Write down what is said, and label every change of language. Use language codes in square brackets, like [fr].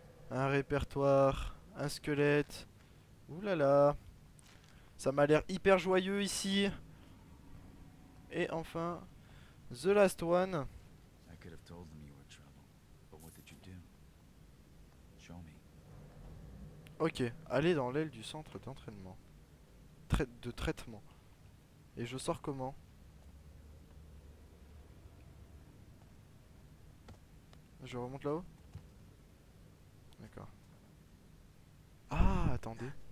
[fr] Un répertoire, un squelette. Ouh là là! Ça m'a l'air hyper joyeux ici! Et enfin, [en] The Last One! I could have told them you were trouble, but what did you do? Show me. [fr] Ok, allez dans l'aile du centre d'entraînement. De traitement. Et je sors comment? Je remonte là-haut? D'accord. Ah, attendez.